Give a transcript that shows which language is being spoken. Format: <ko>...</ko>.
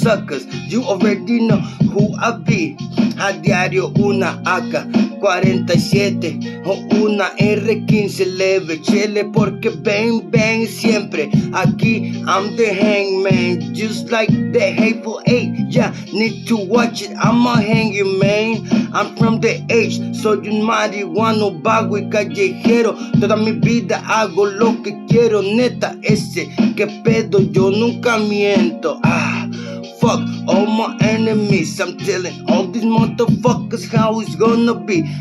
<en>Suckers, you already know who I be.</en> <es>A diario una AK-47 o una R-15 leve, chele, porque bang bang siempre.</es> <en>Aquí I'm the hangman, just like the Hateful Eight. Yeah, need to watch it, I'ma hang you, man. I'm from the H,</en> <es>soy un marihuano, vago y callejero. Toda mi vida hago lo que quiero, neta, ese que pedo, yo nunca miento.</es> <en>Ah, fuck all my enemies, I'm telling all these motherfuckers how it's gonna be.</en>